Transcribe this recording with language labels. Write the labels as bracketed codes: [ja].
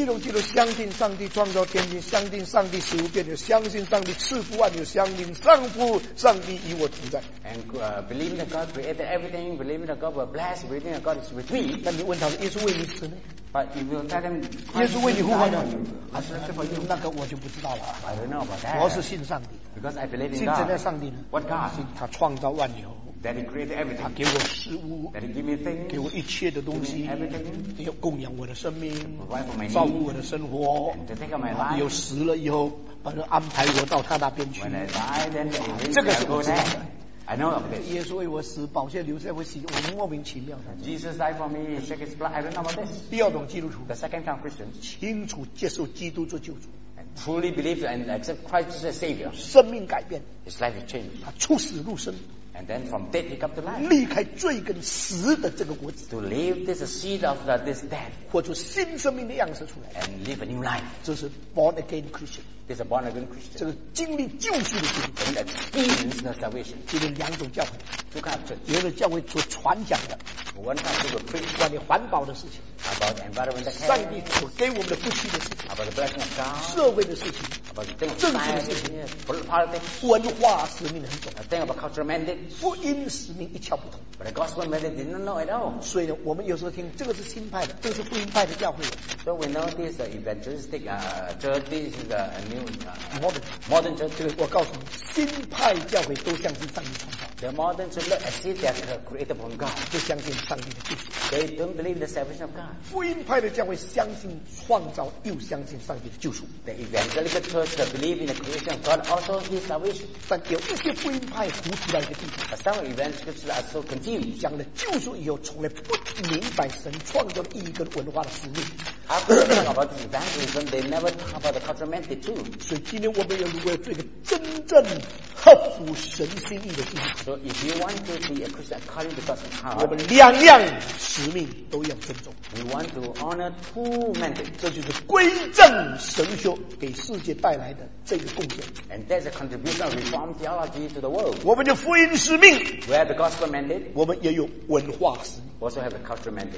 [zh] 一种基督徒相信上帝创造天地，相信上帝使无变有，相信上帝赐福万有，相信上父上帝与我同在。 [en] And believing that God created everything, believing that God will bless, believing that God is with me. [zh] 那你问他耶稣为你死呢？ [en] But if you tell them, [zh] 耶稣为你复活的，还是这么用？那个我就不知道了。 [en] I don't know about that. [zh] 我是信上帝。 [en] Because I believe in God. [zh] 信真的上帝呢 [en] ？What God? [zh] 信他创造万有。 [en] That he created everything. [zh] 他给我食物， [en] that he give me things, [zh] 给我一切的东西， [en] everything, [zh] 要供养我的生命， [en] provide for my need, [zh] 照顾我的生活， [en] and to take care of my life. [zh] 有死了以后，把他安排我到他那边去。 [en] When I die, then he will go [zh] there. 这个是我知道的。 [en] I know of this. [zh] 耶稣为我死，宝血流在我心，我莫名其妙。 [en] Jesus died for me, shed his blood. I don't know about this. [zh] 第二种基督徒， [en] the second kind of Christians, [zh] 清楚接受基督做救主。 [en] Truly believe and accept Christ as a savior. [zh] 生命改变， [en] his life is changed. [zh] 他出死入生。 [en] And then from death he comes to life. [zh] 离开罪跟死的这个果子。 [en] To leave this seed of this death. [zh] 活出新生命的样式出来。 [en] And live a new life. [zh] 这是 [en] born again Christian. This is a born again Christian. [zh] 这个经历救赎的基督徒。 [en] And experience the salvation. [zh] 这是两种教会。 [en] Two kinds of church. [zh] 有的教会所传讲的。 [en] One kind of preach. [zh] 关于环保的事情。 [en] About the environment. [zh] 上帝所给我们的福气的事情。 [en] About the blessing of God. [zh] 社会的事情。 [en] About the things of science. [zh] 政治的事情。 [en] Politics. [zh] 文化使命很重。 [en] A thing about cultural mandate. [zh] 福音使命一窍不通， [en] but the gospel method didn't know at all. [zh] 所以呢，我们有时候听这个是新派的，这个是福音派的教会的。 [en] So we know this evangelistic church, this is a new modern church. [zh] 这个我告诉你，新派教会都相信上帝创造。 [en] The modern church look as if they are created from God. [zh] 就相信上帝的救赎。 [en] They don't believe the salvation of God. [zh] 福音派的教会相信创造，又相信上帝的救赎。 [en] The evangelical church believe in the creation of God, also his salvation. [zh] 但有一些福音派糊涂到一个地步。 [en] But some evangelists are so confused. [zh] 讲了救赎以后，从来不明白神创造意义跟文化的使命。 [en] After talking about the evangelism, they never talk about the cultural mandate too. [zh] 所以今天我们要如果要做一个真正合乎神心意的基督徒。 [en] So if you want to be a Christian according to God's heart, [zh] 我们两样使命都要尊重。 [en] We want to honor two mandates. [zh] 这就是归正神学给世界带来的这个贡献。 [en] And that's a contribution of reform theology to the world. [zh] 我们的福音使命。 [en] We have the gospel mandate. [zh] 我们也有文化使命。 [en] Also have a cultural mandate.